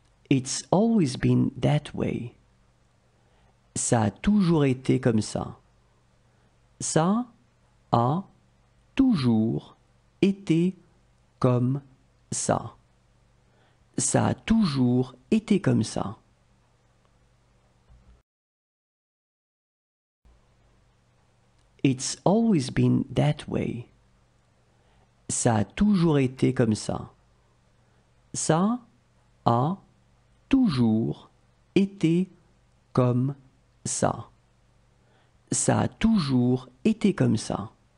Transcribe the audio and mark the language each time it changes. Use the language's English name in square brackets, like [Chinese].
[English] It's always been that way. [French] Ça a toujours été comme ça. Ça a toujours été comme ça. Ça a toujours été comme ça. [English] It's always been that way. [French] Ça a toujours été comme ça. Ça a toujours été comme ça. Ça a toujours été comme ça.